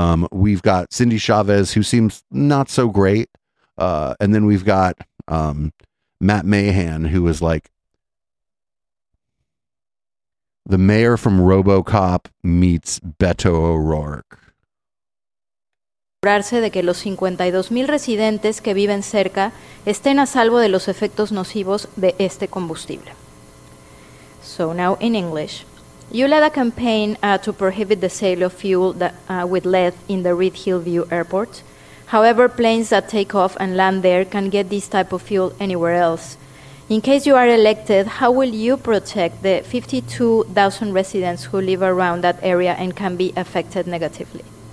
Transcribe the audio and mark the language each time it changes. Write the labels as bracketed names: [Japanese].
[English] We've got Cindy Chavez, who seems not so great. And then we've got Matt Mahan, who is like the mayor from RoboCop meets Beto O'Rourke. [Spanish] De que los 52,000 residentes que viven cerca estén a salvo de los efectos nocivos de este combustible. [English] So now in English, you led a campaign to prohibit the sale of fuel with lead in the Reed Hillview Airport. However, planes that take off and land there can get this type of fuel anywhere else. In case you are elected, how will you protect the 52,000 residents who live around that area and can be affected negatively?